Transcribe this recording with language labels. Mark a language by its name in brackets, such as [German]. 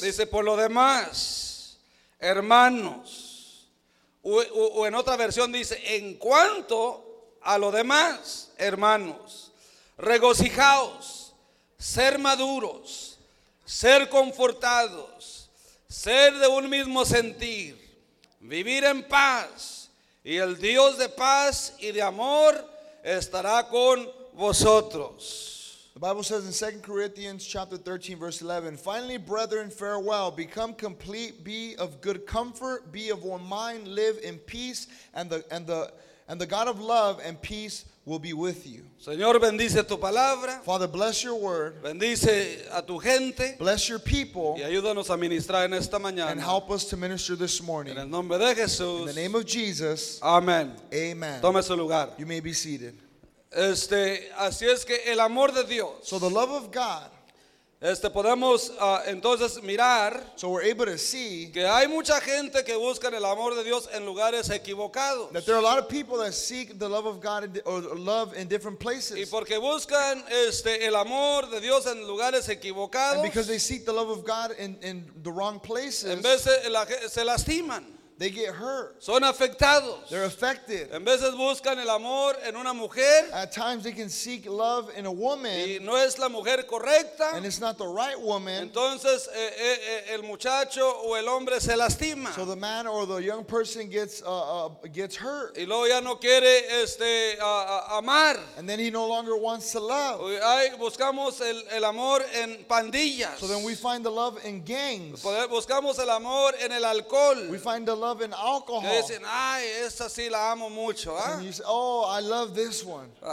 [Spanish] Dice, por lo demás, hermanos, o en otra versión dice, en cuanto a lo demás, hermanos, regocijaos, ser maduros, ser confortados, ser de un mismo sentir, vivir en paz, y el Dios de paz y de amor estará con vosotros. [English] The Bible says in 2 Corinthians chapter 13, verse 11, finally, brethren, farewell. Become complete, be of good comfort, be of one mind, live in peace, and the God of love and peace will be with you. [Spanish] Señor, bendice tu palabra. [English] Father, bless your word. [Spanish] Bendice a tu gente. [English] Bless your people. [Spanish] Y ayúdanos a ministrar en esta mañana. [English] And help us to minister this morning. [Spanish] En el nombre de Jesús. [English] In the name of Jesus. Amen. Amen. [Spanish] Tome su lugar. [English] You may be seated. [Spanish] Así es que el amor de Dios. [English] So the love of God. [Spanish] Podemos entonces mirar. [English] So we're able to see. [Spanish] Que hay mucha gente que busca el amor de Dios en lugares equivocados. [English] That there are a lot of people that seek the love of God or love in different places. [Spanish] Y porque buscan el amor de Dios en lugares equivocados. [English] And because they seek the love of God in the wrong places. [Spanish] En vez de se lastiman. [English] They get hurt. [Spanish] Son afectados. [English] They're affected. [Spanish] En veces buscan el amor en una mujer. [English] At times they can seek love in a woman. [Spanish] Y no es la mujer correcta. [English] And it's not the right woman. [Spanish] Entonces el muchacho o el hombre se lastima. [English] So the man or the young person gets hurt. [Spanish] Y luego ya no quiere amar. [English] And then he no longer wants to love. [Spanish] Buscamos el amor en pandillas. [English] So then we find the love in gangs. [Spanish] Buscamos el amor en el alcohol. [English] We find the love in alcohol. [Spanish] Dicen, ay, esa sí la amo mucho, ¿eh? [English] And you say, oh, I love this one.